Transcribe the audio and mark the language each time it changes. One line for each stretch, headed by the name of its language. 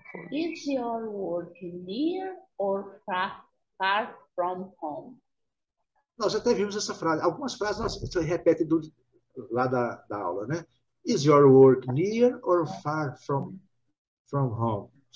English: Is your work near or far from home?
Portuguese: Nós até vimos essa frase. Algumas frases você repete lá da aula, né?
English: Is your work near or far from home?